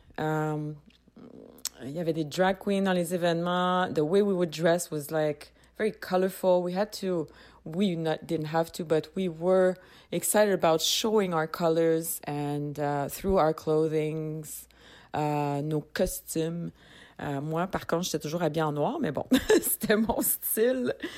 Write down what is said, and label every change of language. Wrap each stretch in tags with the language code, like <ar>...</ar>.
<fr>Il y avait des drag queens dans les événements.</fr> <en>The way we would dress was like very colorful. We were excited about showing our colors and through our clothings,</en> <fr>nos costumes. Moi, par contre, j'étais toujours habillée en noir, mais bon, c'était mon style.</fr>